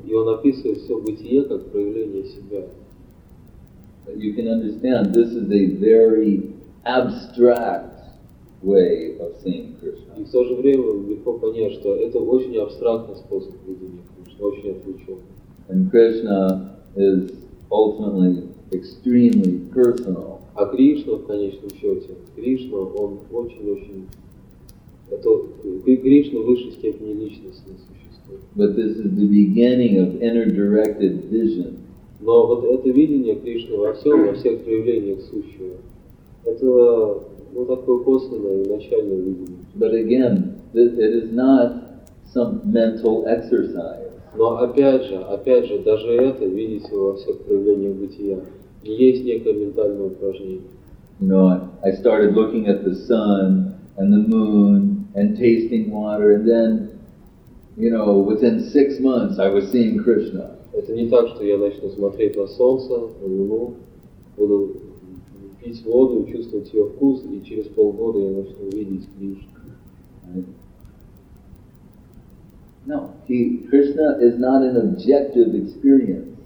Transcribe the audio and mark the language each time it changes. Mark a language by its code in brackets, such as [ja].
[ru] И он описывает все бытие как проявление себя. [en] But you can understand, this is a very abstract way of seeing Krishna. [ru] И в то же время легко понять, что это очень абстрактный способ видения Кришны, очень отвлеченный. [en] And Krishna is ultimately extremely personal. [ru] А Кришна в конечном счете, Кришна, он очень-очень, это Кришна в высшей степени личностное существо. [en] But this is the beginning of inner-directed vision. [ru] Но вот это видение Кришны во всех проявлениях сущего, это ну, такое косвенное начальное видение. [en] But again, it is not some mental exercise. [ru] Но опять же, даже это видеть его во всех проявлениях бытия не есть некое ментальное упражнение. [en] You know, I started looking at the sun and the moon and tasting water, and then, you know, within 6 months I was seeing Krishna. [ru] Это не так, что я начну смотреть на солнце, на луну, буду пить воду, чувствовать ее вкус, и через полгода я начну видеть Кришну. [en] No, Krishna is not an objective experience.